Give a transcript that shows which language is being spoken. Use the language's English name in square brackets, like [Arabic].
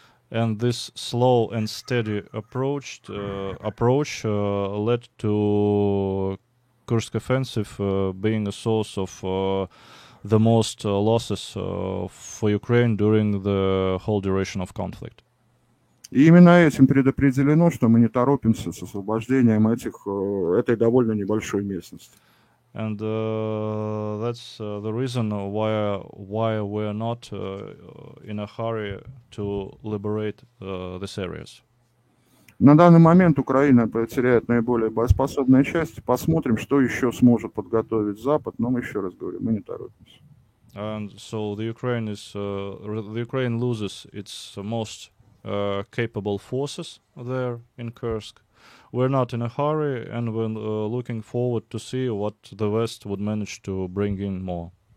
[English] And this slow and steady approach led to Kursk offensive being a source of the most losses for Ukraine during the whole duration of conflict. [Russian] И именно этим предопределено, что мы не торопимся с освобождением этой довольно небольшой местности. [English] And that's the reason why we are not in a hurry to liberate these areas. [Russian] На данный момент Украина теряет наиболее боеспособные части. Посмотрим, что еще сможет подготовить Запад. Но мы еще раз говорим, мы не торопимся. [English] And so the Ukraine loses its most capable forces there in Kursk. We're not in a hurry, and we're looking forward to see what the West would manage to bring in more.